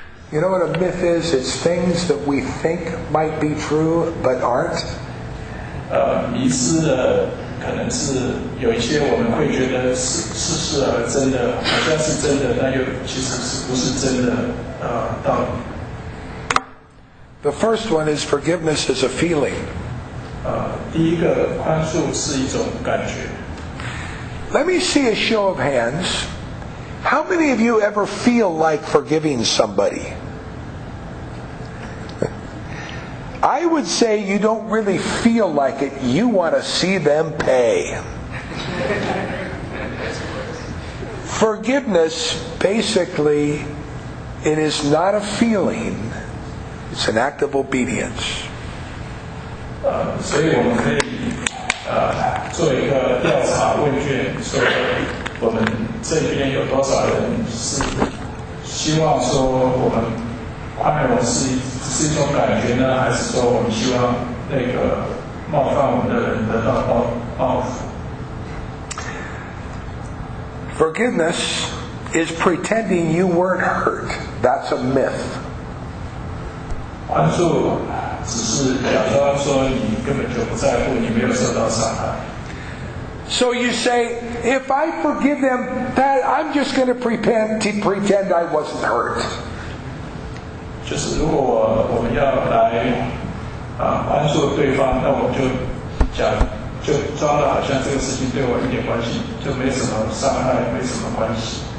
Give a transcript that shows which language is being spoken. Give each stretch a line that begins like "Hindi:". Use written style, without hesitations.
English: You know what a myth is? It's things that we think might be true but aren't.
Chinese: 迷思的可能是有一些我们会觉得是似是而真的，好像是真的，但又其实是不是真的道理。
English: The first one is forgiveness is a feeling.
Chinese: 第一个宽恕是一种感觉。
English: Let me see a show of hands. How many of you ever feel like forgiving somebody? I would say you don't really feel like it. You want to see them pay. Forgiveness, basically, it is not a feeling. It's an act of obedience.
Chinese: 所以我们可以做一个调查问卷，说我们这边有多少人是希望说我们宽容是一种感觉呢，还是说我们希望那个冒犯我们的人得到报复？
English: Forgiveness is pretending you weren't hurt. That's a myth.
Chinese: 宽恕只是假装说你根本就不在乎，你没有受到伤害。
English: So you say, if I forgive them, that I'm just going to pretend I wasn't hurt.
Chinese: 就是如果我们要来宽恕对方，那我就讲。就装得好像这个事情对我一点关系，就没什么伤害，没什么关系。